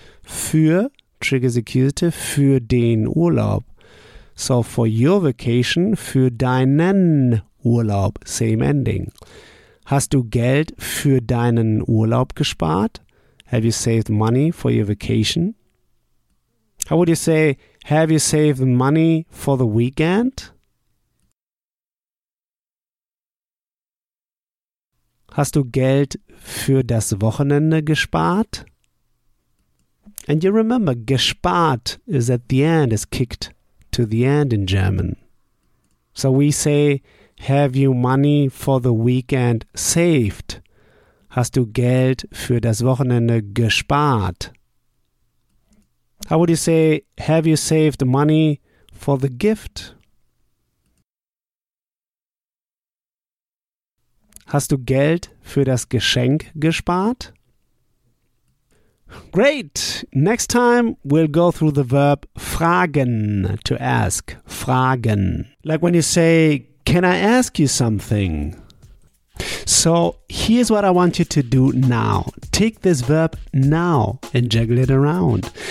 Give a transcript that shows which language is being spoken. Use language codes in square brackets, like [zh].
[en] Für triggers accusative, [de] für den Urlaub. [en] So, for your vacation, [de] für deinen Urlaub, [en] same ending. [de] Hast du Geld für deinen Urlaub gespart? [en] Have you saved money for your vacation? How would you say, have you saved money for the weekend? [de] Hast du Geld für das Wochenende gespart? [en] And you remember, gespart is at the end, is kicked to the end in German. So we say, have you money for the weekend saved? [de] Hast du Geld für das Wochenende gespart? [en] How would you say, have you saved money for the gift? [de] Hast du Geld für das Geschenk gespart? [en] Great! Next time we'll go through the verb fragen, to ask. Fragen. Like when you say, can I ask you something? So here's what I want you to do now. Take this verb now and juggle it around.